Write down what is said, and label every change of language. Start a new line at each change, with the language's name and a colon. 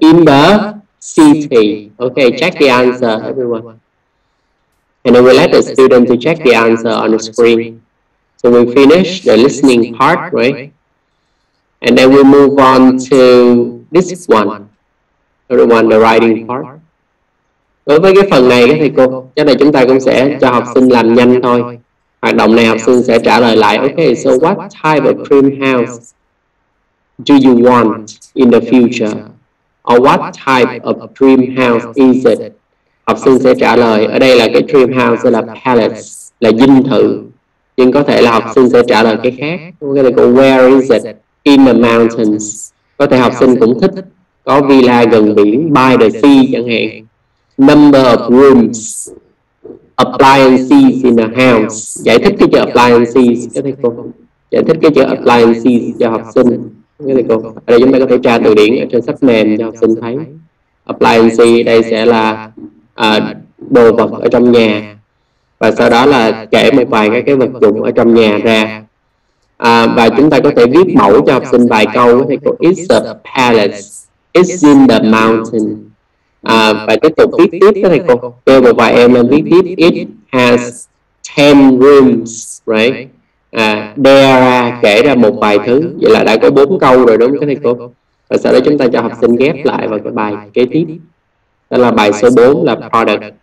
English: In the city. Okay, check the answer, everyone. And then we'll let the student to check the answer on the screen. So we finish the listening part, right? And then we'll move on to this one. Everyone, the writing part.
Vietnamese: Đối với cái phần này, các thầy cô, chắc là chúng ta cũng sẽ cho học sinh làm nhanh thôi. Hoạt động này học sinh sẽ trả lời lại.
English: Okay, so what type of dream house do you want in the future? Or what type of dream house is it?
Vietnamese: Học sinh sẽ trả lời. Ở đây là cái dream house là palace, là dinh thự. Nhưng có thể là học sinh sẽ trả lời cái khác. Các thầy cô,
English: where is it? In the mountains.
Vietnamese: Có thể học sinh cũng thích có villa gần biển,
English: by the sea
Vietnamese: chẳng hạn.
English: Number of rooms, appliances in the house.
Vietnamese: Giải thích cái chữ appliances cho thầy cô. Giải thích cái chữ appliances cho học sinh. Nghe thầy cô. Ở đây chúng ta có thể tra từ điển ở trên sách mềm cho học sinh thấy. Appliances đây sẽ là đồ vật ở trong nhà. Và sau đó là kể một vài cái vật dụng ở trong nhà ra. Và chúng ta có thể viết mẫu cho học sinh vài câu. Có thể có
English: it's a palace, it's in the mountain.
Vietnamese: Và tiếp tục viết tiếp, có thể cô kêu một vài em lên viết tiếp.
English: It has 10 rooms, right?
Vietnamese: There kể ra một vài thứ. Vậy là đã có 4 câu rồi đúng không thầy cô? Và sau đó chúng ta cho học sinh ghép lại vào cái bài kế tiếp. Đó là bài số 4 là product.